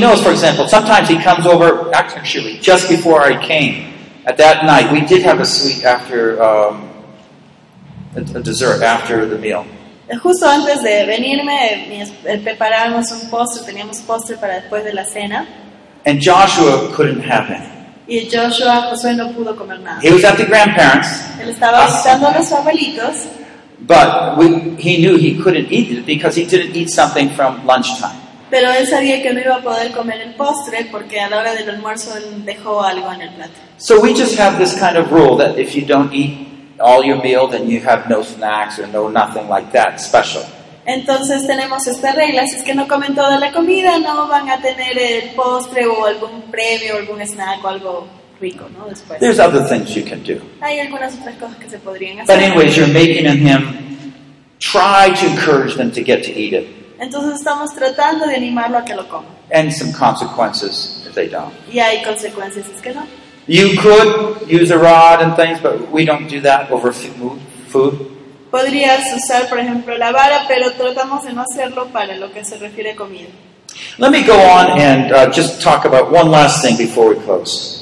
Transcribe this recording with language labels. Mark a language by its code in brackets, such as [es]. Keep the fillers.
[en] knows, for example, sometimes he comes over, actually, just before I came, at that night, we did have a sweet after, um, a, dessert after the meal. [es] Justo antes de venirme, preparábamos un postre, teníamos postre para después de la cena. [en] And Joshua couldn't have any. [es] Y Joshua, Josué no pudo comer nada. [en] He was at the grandparents. [es] Él estaba visitando uh -huh. a los abuelitos. [en] But we, he knew he couldn't eat it because he didn't eat something from lunchtime. [es] Pero él sabía que no iba a poder comer el postre porque a la hora del almuerzo él dejó algo en el plato. [en] So we just have this kind of rule that if you don't eat all your meal, then you have no snacks or no nothing like that special. [es] Entonces tenemos esta regla, si es que no comen toda la comida, no van a tener el postre o algún premio o algún snack o algo. Rico, ¿no? [en] There's other things you can do. But anyways, you're making him try to encourage them to get to eat it. [es] Entonces estamos tratando de animarlo a que lo coma. [en] And some consequences if they don't. [es] Y hay consecuencias es que no. [en] You could use a rod and things, but we don't do that over food. [es] Podrías [en] Could use [es] ejemplo, la vara, pero [en] but we [es] no not para lo que se refiere [en] let me go on and uh, just talk about one last thing before we close.